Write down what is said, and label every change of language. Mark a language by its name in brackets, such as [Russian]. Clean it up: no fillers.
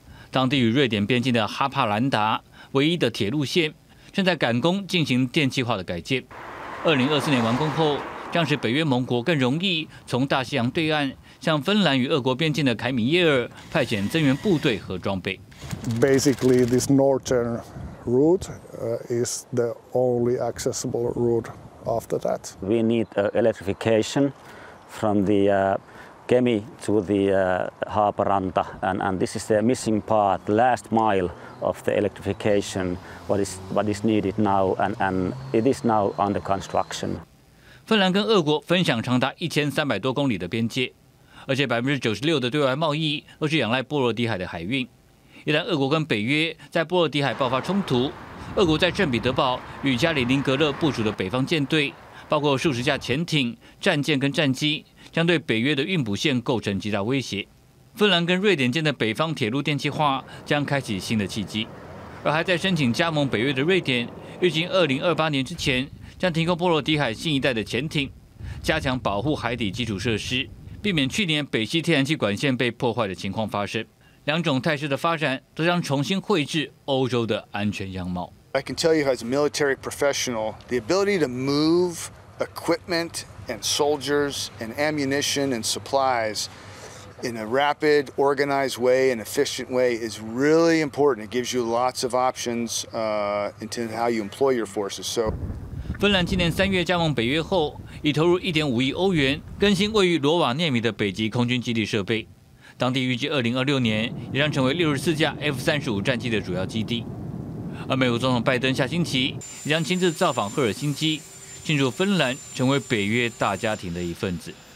[Chinese] 当地与瑞典边境的哈帕兰达唯一的铁路线，正在赶工进行电气化的改建。 2024年完工后，将使北约盟国更容易从大西洋对岸向芬兰与俄国边境的凯米耶尔派遣增援部队和装备。 [English] Basically, this northern route is the only accessible route after that. We need electrification. From the Kemi to the Haaparanta, and this is the missing part, last mile of the electrification. What is needed now, and it is now under construction. [Chinese] 芬兰跟俄国分享长达1300多公里的边界，而且96%的对外贸易都是仰赖波罗的海的海运。一旦俄国跟北约在波罗的海爆发冲突，俄国在圣彼得堡与加里宁格勒部署的北方舰队。包括数十架潜艇、战舰跟战机，将对北约的运补线构成极大威胁。芬兰跟瑞典间的北方铁路电气化将开启新的契机，而还在申请加盟北约的瑞典，预计2028年之前将提供波罗的海新一代的潜艇，加强保护海底基础设施，避免去年北溪天然气管线被破坏的情况发生。两种态势的发展都将重新绘制欧洲的安全样貌。 [English] I can tell you as a military professional, the ability to move equipment and soldiers and ammunition and supplies in a rapid, organized way, an efficient way, is really important. It gives you lots of options into how you employ your forces. So, [Chinese] 芬兰今年三月加盟北约后，已投入1.5亿欧元更新位于罗瓦涅米的北极空军基地设备。当地预计2026年也将成为64架 F-35 战机的主要基地。而美国总统拜登下星期也将亲自造访赫尔辛基，庆祝芬兰成为北约大家庭的一份子。